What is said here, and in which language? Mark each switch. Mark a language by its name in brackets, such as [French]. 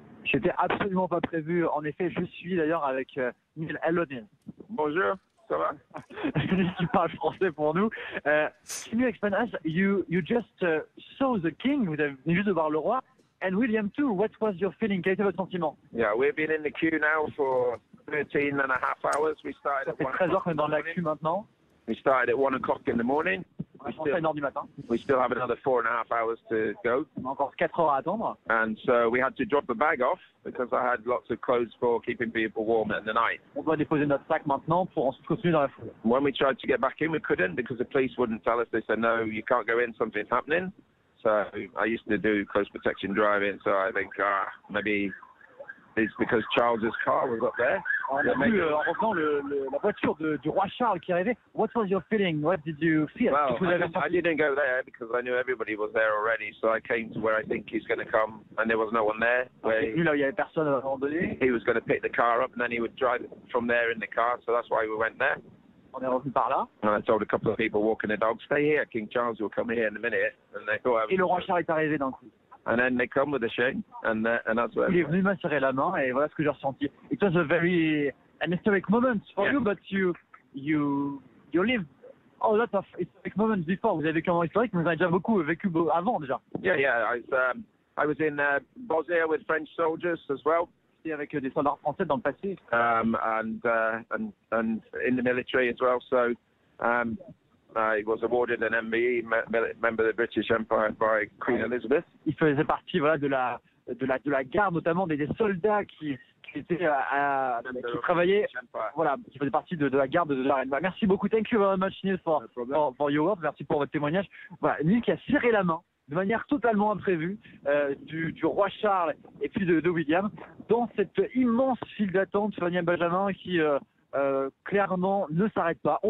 [French] C'était absolument pas prévu. En effet, je suis d'ailleurs avec Neil Elonin. Bonjour, ça va? Tu parles français pour nous. [English] Can you explain us? You just saw the king. [French] Vous avez venu juste de voir le roi. [English] And William too. What was your feeling? [French] Quel était votre sentiment? [English] Yeah, we've been in the queue now for 13 and a half hours. We started. [French] Ça fait 13 heures qu'on est dans la queue maintenant. [English] We started at 1 o'clock in the morning. We still have another 4.5 hours to go. [French] Encore 4 heures à attendre. [English] And so we had to drop the bag off because I had lots of clothes for keeping people warm in the night. [French] On doit déposer notre sac maintenant pour ensuite continuer dans la foule. [English] When we tried to get back in, we couldn't because the police wouldn't tell us. They said, no, you can't go in, something's happening. So I used to do close protection driving, so I think maybe it's because Charles's car was up there. [French] On a vu en revenant la voiture du roi Charles qui arrivait. [English] What was your feeling? What did you feel? Well, I didn't go there because I knew everybody was there already. So I came to where I think he's going to come, and there was no one there. [French] Where il n'y avait personne à un moment donné. [English] He was going to pick the car up, and then he would drive from there in the car. So that's why we went there. [French] On est revenu par là. [English] And I told a couple of people walking their dogs, stay here. King Charles will come here in a minute. And they thought. [French] Et le roi Charles est arrivé d'un coup. [English] And then they come with a shame, and that's what. [French] Il est venu m'asserrer la main, et voilà ce que j'ai ressenti. [English] It was a very an historic moment for you, but you live a lot of historic moments before. [French] Vous avez vécu un moment historique, mais vous avez déjà beaucoup vécu avant déjà. [English] I was in Bosnia with French soldiers as well. [French] J'étais avec des soldats français dans le passé. [English] And in the military as well. So. I was awarded an MBE, member of the British Empire, by Queen Elizabeth. [French] Il faisait partie voilà de la garde, notamment des soldats qui étaient qui travaillaient voilà qui faisaient partie de la garde de la reine. Merci beaucoup. [English] Thank you very much, Neil, for your work. [French] Merci pour votre témoignage. Voilà, Neil qui a serré la main de manière totalement imprévue du roi Charles et puis de William dans cette immense file d'attente. Fanny Benjamin qui clairement ne s'arrête pas.